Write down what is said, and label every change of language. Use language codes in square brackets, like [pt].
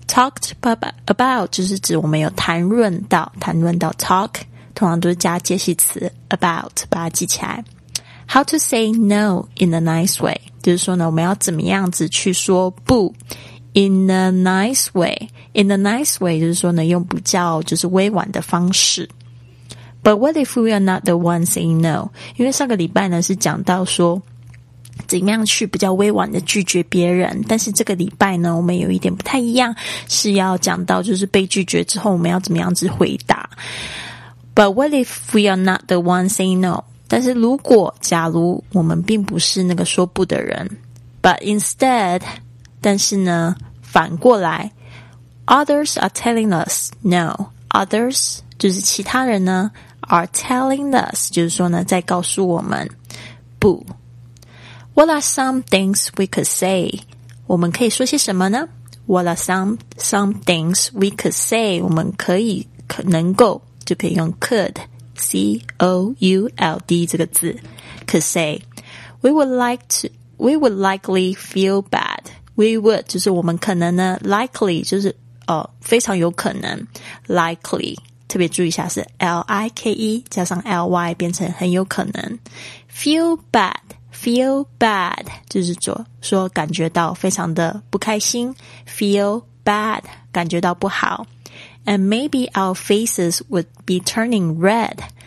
[en] We talked about [zh] 就是指我们有谈论到 talk, 通常都是加介系词 about, 把它记起来。 [en] How to say no in a nice way, [zh] 就是说呢我们要怎么样子去说不。 [en] In a nice way. In a nice way [zh] 就是说呢用比较就是委婉的方式。 [en] But what if we are not the one saying no? [zh] 因为上个礼拜呢是讲到说怎么样去比较委婉的拒绝别人，但是这个礼拜呢我们有一点不太一样，是要讲到就是被拒绝之后我们要怎么样子回答。 [en] But what if we are not the one saying no? [zh] 但是如果假如我们并不是那个说不的人。 [en] But instead... [zh] 但是呢反过来 [en] Others are telling us no. [zh] Others 就是其他人呢 [en] are telling us, [zh] 就是说呢在告诉我们不。 [en] What are some things we could say? [zh] 我们可以说些什么呢？ [en] What are some things we could say? [zh] 我们可以可能够就可以用 [en] could C-O-U-L-D 这个字 could say. We would likely feel bad. we would [zh] 就是我们可能呢 [en] likely [zh] 就是非常有可能 [en] likely [zh] 特别注意一下是 [en] like 加上 ly [zh] 变成很有可能 [en] feel bad [zh] 就是说感觉到非常的不开心 [en] feel bad [zh] 感觉到不好 [en] and maybe our faces would be turning red